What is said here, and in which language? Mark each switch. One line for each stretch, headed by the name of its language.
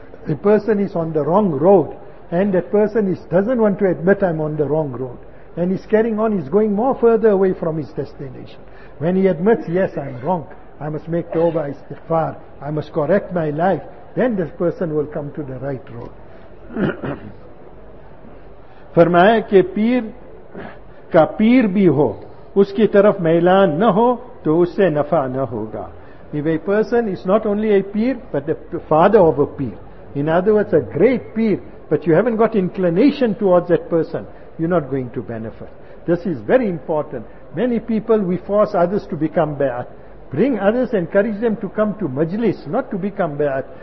English: The person is on the wrong road, and that person doesn't want to admit I'm on the wrong road. And he's carrying on, he's going more further away from his destination. When he admits, yes, I'm wrong, I must make tawbah, istighfar, I must correct my life, then this person will come to the right road.
Urdu: فرمایا کہ پیر کا پیر بھی ہو اس کی طرف میلان نہ ہو تو اس سے نفع نہ ہوگا.
English: If a person is not only a peer but the father of a peer, in other words a great peer, but you haven't got inclination towards that person, you're not going to benefit. This is very important. Many people, we force others to become bad. Bring others, encourage them to come to majlis, not to become bad.